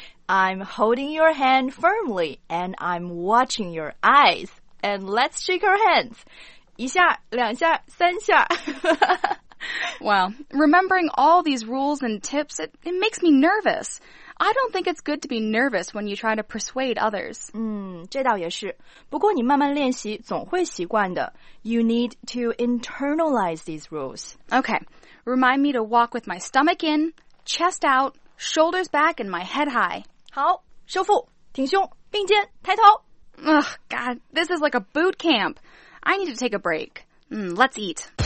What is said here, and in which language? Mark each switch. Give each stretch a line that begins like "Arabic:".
English: I'm holding your hand firmly, and I'm watching your eyes. And let's shake our hands.
Chinese: 一下，两下，三下。
English: Well, remembering all these rules and tips, it makes me nervous. I don't think it's good to be nervous when you try to persuade others.
Chinese: 这倒也是。不过你慢慢练习总会习惯的。
English: You need to internalize these rules. Okay, remind me to walk with my stomach in, chest out, shoulders back, and my head high.
Chinese: 好，收腹，挺胸，并肩，抬头。
English: Ugh, God, this is like a boot camp. I need to take a break. Let's eat.